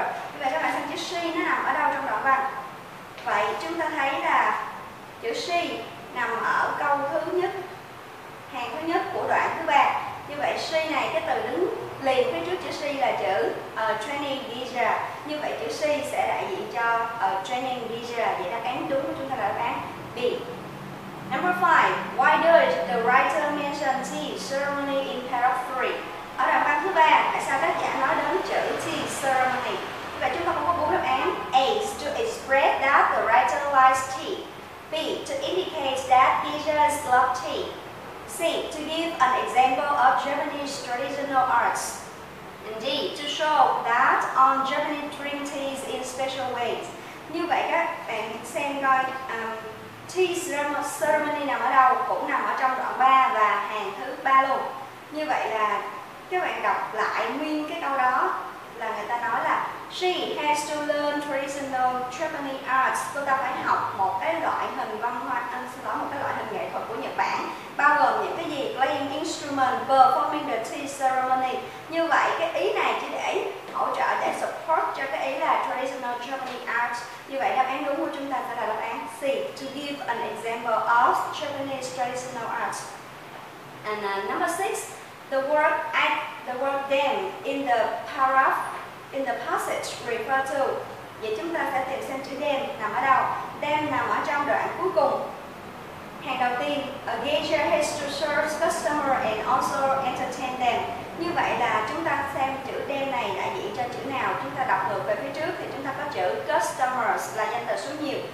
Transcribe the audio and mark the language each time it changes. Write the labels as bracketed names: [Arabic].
[Vietnamese] Như vậy các bạn xem chữ C nó nằm ở đâu trong đoạn văn. Vậy chúng ta thấy là chữ C nằm ở câu thứ nhất, hàng thứ nhất của đoạn thứ 3. Như vậy C này, cái từ đứng liền phía trước chữ C là chữ training geisha. Như vậy chữ C sẽ đại diện cho training geisha. Vậy đáp án đúng của chúng ta là đáp án B. [English] Number 5. Why does the writer mention tea ceremony in paragraph 3? [Vietnamese] Ở đoạn văn thứ 3, tại sao tác giả nói đến chữ tea ceremony? Vậy chúng ta có 4 đáp án. [English] A, to express that the writer likes tea. B. To indicate that Asians love tea. C. To give an example of Japanese traditional arts. And D. To show that on Japanese drink teas in special ways. [Vietnamese] Như vậy các bạn xem coi tea ceremony nằm ở đâu, cũng nằm ở trong đoạn 3 và hàng thứ 3 luôn. Như vậy là các bạn đọc lại nguyên cái câu đó là người ta nói là [English] She has to learn traditional Japanese arts. [Vietnamese] Cô ta phải học một cái loại hình văn hóa, anh xin lỗi, một cái loại hình nghệ thuật của Nhật Bản, bao gồm những cái gì? [English] Playing instrument, performing the tea ceremony. [Vietnamese] Như vậy cái ý này chỉ để hỗ trợ, để support cho cái ý là [English] traditional Japanese arts. [Vietnamese] Như vậy đáp án đúng của chúng ta sẽ là đáp án C, [English] to give an example of Japanese traditional arts. And number 6, the word at, the word then in the paragraph, in the passage refer to. [Vietnamese] Vậy chúng ta sẽ tìm xem chữ then nằm ở đâu. Then nằm ở trong đoạn cuối cùng. Hàng đầu tiên, [English] a geisha has to serve customer and also entertain them. [Vietnamese] Như vậy là chúng ta xem chữ then này đại diện cho chữ nào. Chúng ta đọc ngược về phía trước thì chúng ta có chữ customers là danh từ số nhiều.